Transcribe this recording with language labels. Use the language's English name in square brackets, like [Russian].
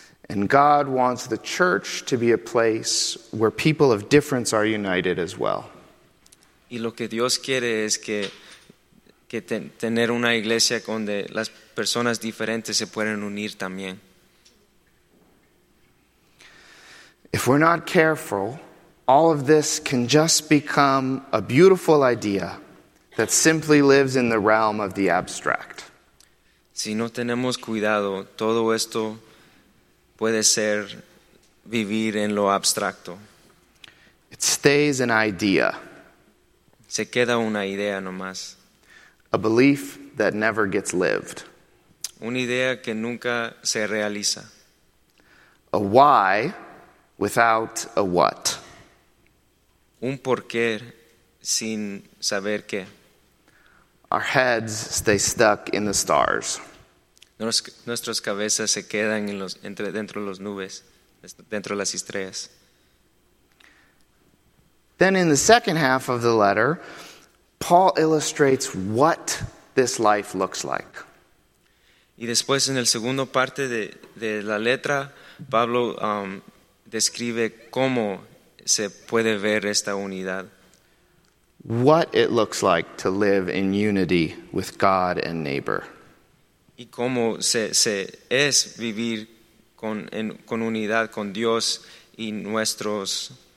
[English] And God wants the church to be a place where people of difference are united as well. [Spanish] Y lo que Dios quiere es que tener una iglesia donde las personas diferentes se pueden unir también. [English] If we're not careful, all of this can just become a beautiful idea that simply lives in the realm of the abstract. [Spanish] Si no tenemos cuidado, todo esto puede ser vivir en lo abstracto. [English] It stays an idea. [Spanish] Se queda una idea nomás. [English] A belief that never gets lived. [Spanish] Una idea que nunca se realiza. [English] A why without a what. [Spanish] Un porqué sin saber qué. [English] Our heads stay stuck in the stars. [Spanish] Nuestras cabezas se quedan dentro de las nubes, dentro de las estrellas. [English] Then in the second half of the letter, Paul illustrates what this life looks like. [Spanish] Y después en el segundo parte de la letra, Pablo describe cómo se puede ver esta unidad. [English] What it looks like to live in unity with God and neighbor. [Spanish] Y cómo se es vivir con unidad con Dios y nuestros.